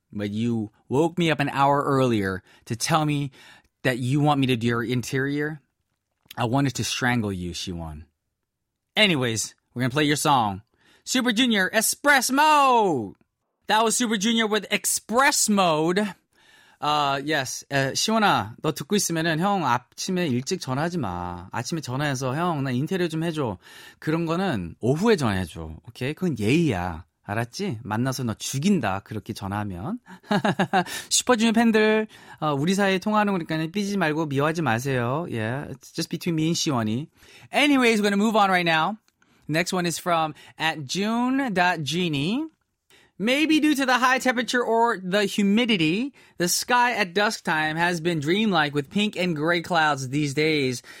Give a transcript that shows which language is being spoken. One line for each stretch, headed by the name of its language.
English: But you woke me up an hour earlier to tell me that you want me to do your interior. I wanted to strangle you, Shiwon. Anyways, we're going to play your song. Super Junior, Express Mode! That was Super Junior with Express Mode. Yes.
Korean: 시원아, 너 듣고 있으면은 형 아침에 일찍 전화하지 마. 아침에 전화해서 형 나 인테리어 좀 해줘. 그런 거는 오후에 전화해줘. 오케이? 그건 예의야. 알았지? 만나서 너 죽인다. 그렇게 전화하면. 슈퍼주니어 팬들, 우리 사이에 통화하는 거니까 삐지지 말고 미워하지 마세요.
English: Yeah. It's just between me and 시원이. Anyways, we're gonna move on right now. Next one is from at June.genie. Maybe due to the high temperature or the humidity, the sky at dusk time has been dreamlike with pink and gray clouds these days.